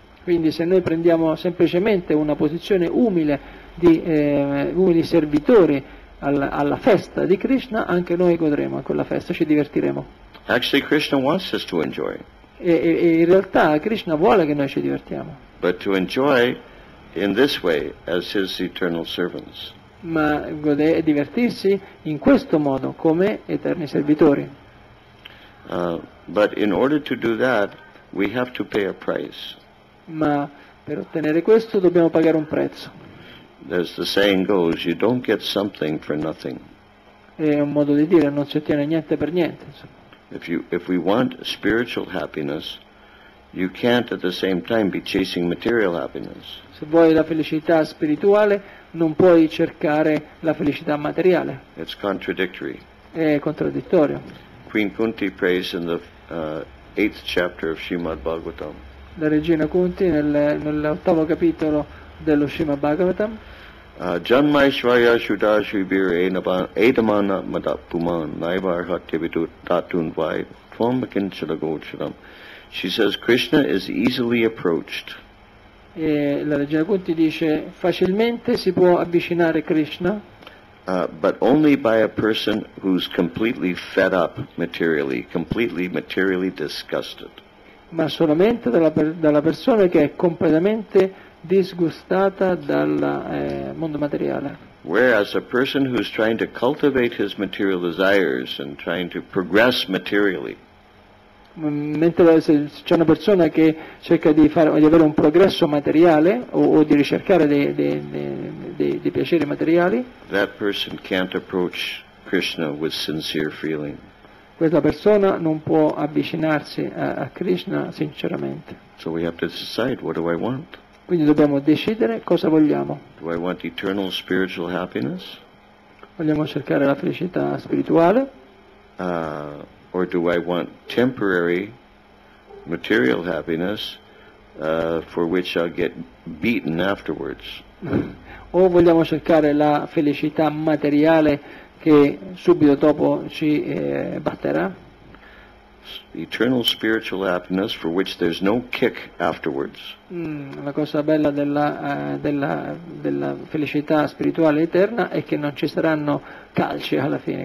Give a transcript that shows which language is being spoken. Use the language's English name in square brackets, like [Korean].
[Italian] Quindi se noi prendiamo semplicemente una posizione umile di umili servitori alla festa di Krishna, anche noi godremo a quella festa, ci divertiremo. [English] Actually, Krishna wants us to enjoy. [Italian] E in realtà Krishna vuole che noi ci divertiamo. [English] But to enjoy in this way as his eternal servants. [Italian] Ma godere e divertirsi in questo modo come eterni servitori. [English] But in order to do that, we have to pay a price. [Italian] Ma per ottenere questo dobbiamo pagare un prezzo. [English] As the saying goes, you don't get something for nothing. [Italian] È un modo di dire, non si ottiene niente per niente. [English] If we want spiritual happiness, you can't at the same time be chasing material happiness. [Italian] Se vuoi la felicità spirituale, non puoi cercare la felicità materiale. [English] It's contradictory. [Italian] È contraddittorio. [English] Queen Kunti prays in the 8th chapter of Srimad Bhagavatam. [Italian] La regina Kunti nell'ottavo capitolo dello Srimad Bhagavatam. [Sanskrit] Janmaishvarya shudashvibir edamana madapuman naivar hattivitu tatunvai tvamakinchala gocharam. [English] She says Krishna is easily approached. [Italian] E la regina Kunti dice facilmente si può avvicinare Krishna. [English] But only by a person who's completely fed up materially, completely materially disgusted. [Italian] Ma solamente dalla persona che è completamente disgustata dal mondo materiale. [English] Whereas a person who's trying to cultivate his material desires and trying to progress materially. [Italian] Mentre se c'è una persona che cerca di avere un progresso materiale o di ricercare dei piaceri materiali, [English] that person can't approach Krishna with sincere feeling. [Italian] Questa persona non può avvicinarsi a Krishna sinceramente. [English] So we have to decide, what do I want? [Italian] Quindi dobbiamo decidere cosa vogliamo. [English] Do I want eternal spiritual happiness? [Italian] Vogliamo cercare la felicità spirituale? [English] Or do I want temporary material happiness for which I'll get beaten afterwards? [Italian] O vogliamo cercare la felicità materiale che subito dopo ci batterà? [English] Eternal spiritual happiness for which there's no kick afterwards. [Italian] La cosa bella della felicità spirituale eterna è che non ci saranno calci alla fine.